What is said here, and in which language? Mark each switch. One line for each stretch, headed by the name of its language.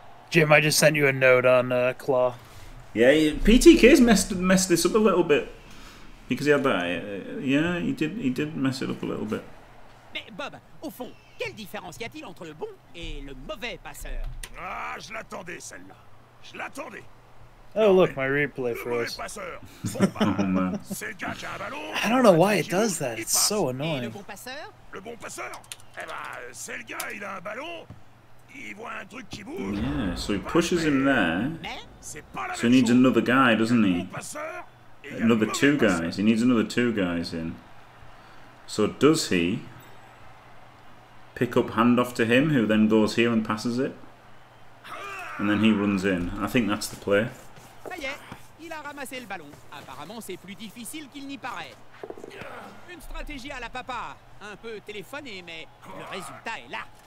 English: Jim, I just sent you a note on Claw. Yeah, PTK's messed this up a little bit. Because he had that. Yeah, he did mess it up a little bit.
French: Mais Bob, au fond, quelle différence y a-t-il entre le bon et le mauvais passeur? Ah, je l'attendais celle-là. Je l'attendais.
English: Oh, look, my replay for us. Passeur,
French: c'est le gars qui a un ballon.
English: I don't know why it does that. It's so annoying.
French: Et le bon passeur? Le bon passeur? Eh ben, c'est le gars, il a un ballon. Il voit un truc qui bouge.
English: Yeah, so he pushes him there. Mais so he needs another guy, doesn't he? Another two guys. He needs another two guys in. So does he pick up handoff to him, who then goes here and passes it? And then he runs in. I think that's the play.
French: Ça y est, il a ramassé le ballon. Apparemment, c'est plus difficile qu'il n'y paraît. Une stratégie à la papa. Un peu téléphoné, mais le résultat est là.